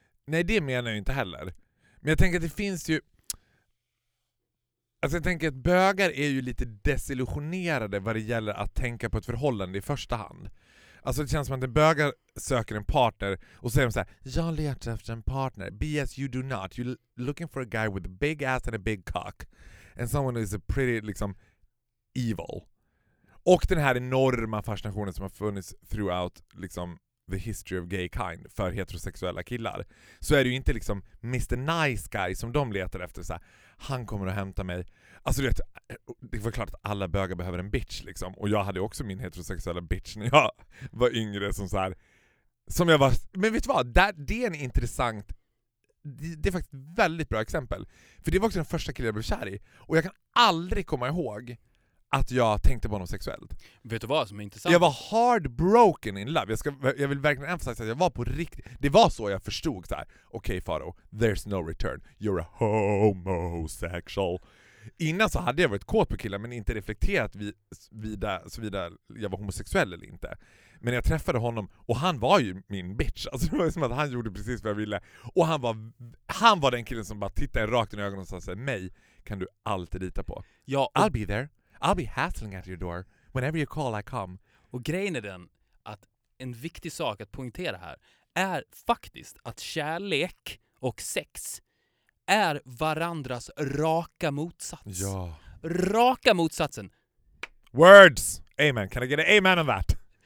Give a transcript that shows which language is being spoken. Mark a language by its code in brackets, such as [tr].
[sv] Nej, det menar jag inte heller. Men jag tänker att det finns ju... Alltså jag tänker att bögar är ju lite desillusionerade vad det gäller att tänka på ett förhållande i första hand. Alltså det känns som att en bögar söker en partner och säger så här: jag letar efter en partner. [en] BS, you do not. You're looking for a guy with a big ass and a big cock. And someone who is a pretty, [sv] liksom, [en] evil. [sv] Och den här enorma fascinationen som har funnits [en] throughout, [sv] liksom, [en] the history of gay kind [sv] för heterosexuella killar, så är det ju inte liksom Mr. Nice Guy som de letar efter, så här, han kommer att hämta mig. Alltså vet, det var klart att alla bögar behöver en bitch liksom, och jag hade också min heterosexuella bitch när jag var yngre som så här, som jag var, men vet du vad, det är en intressant, det är faktiskt ett väldigt bra exempel, för det var också den första killen jag blev kär i, och jag kan aldrig komma ihåg att jag tänkte på honom sexuellt. Vet du vad som är intressant? Jag var [en] heartbroken in love. [sv] Jag vill verkligen [en] emphasize [sv] att jag var på riktigt. Det var så jag förstod så här. [en] Okej, Faro, there's no return. You're a homosexual. [sv] Innan så hade jag varit kåt på killar, men inte reflekterat såvida jag var homosexuell eller inte. Men jag träffade honom och han var ju min bitch. Alltså det var som att han gjorde precis vad jag ville. Och han var den killen som bara tittade rakt in i ögonen och sa så här, mig kan du alltid lita på. Ja, [en] I'll be there. I'll be hassling at your door. Whenever you call, I come. [sv] Och grejen är den att en viktig sak att poängtera här är faktiskt att kärlek och sex är varandras raka motsats. Ja. Raka motsatsen. [en] Words. Amen. Can I get an amen on that?